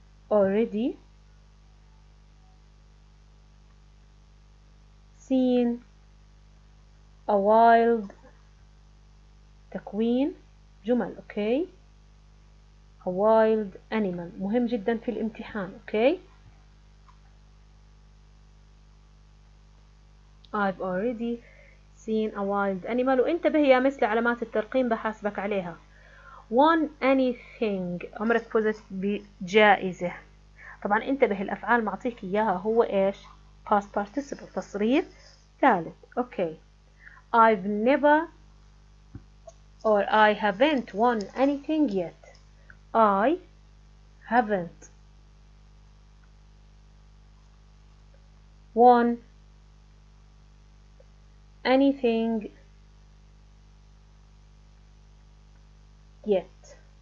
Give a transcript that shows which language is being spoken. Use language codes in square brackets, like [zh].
[en] I have already seen a wild [ar] تكوين جمل. [en] Okay, a wild animal [ar] مهم جدا في الامتحان. [en] Okay, I've already seen a wild animal. [ar] وانتبه يا مثل علامات الترقيم بحاسبك عليها. [en] Won anything, [ar] عمرك فزت بجائزة. طبعا انتبه الافعال معطيك اياها هو ايش؟ past participle تصريف ثالث. [en] Okay. I've never or I haven't won anything yet. I haven't won anything yet.